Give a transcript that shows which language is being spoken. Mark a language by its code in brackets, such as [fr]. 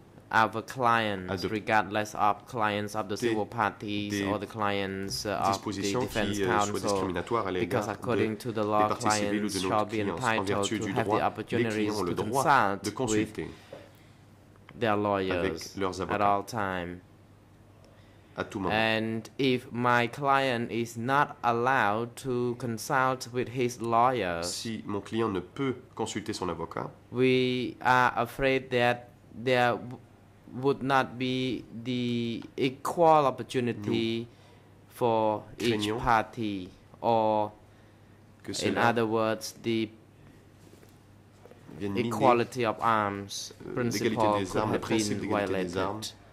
[en] our clients, regardless of clients of the civil parties or the clients of the Defense Council, because according to the law, clients shall be entitled to have the opportunities to consult with their lawyers at all times. And if my client is not allowed to consult with his lawyer, [fr] si mon client ne peut consulter son avocat, [en] we are afraid that there would not be the equal opportunity for each party, or in other words, the equality of arms principle could have been violated.